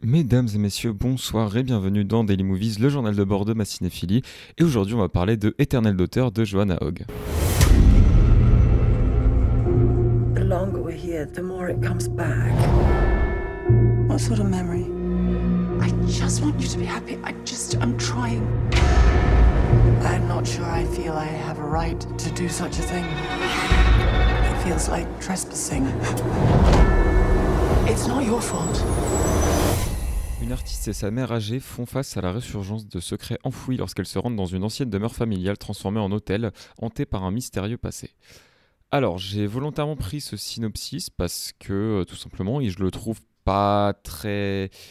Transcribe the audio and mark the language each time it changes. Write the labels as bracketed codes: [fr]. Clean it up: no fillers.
[fr] Mesdames et messieurs, bonsoir et bienvenue dans Daily Movies, le journal de bord de ma cinéphilie. Et aujourd'hui, on va parler de Éternel d'auteur de Joanna Hogg. [en] The longer we're here, the more it comes back. What sort of memory? I just want you to be happy. I'm trying. I'm not sure I feel I have a right to do such a thing. It feels like trespassing. It's not your fault. [fr] Une artiste et sa mère âgée font face à la résurgence de secrets enfouis lorsqu'elles se rendent dans une ancienne demeure familiale transformée en hôtel, hantée par un mystérieux passé. Alors, j'ai volontairement pris ce synopsis parce que, tout simplement, je le trouve pas très...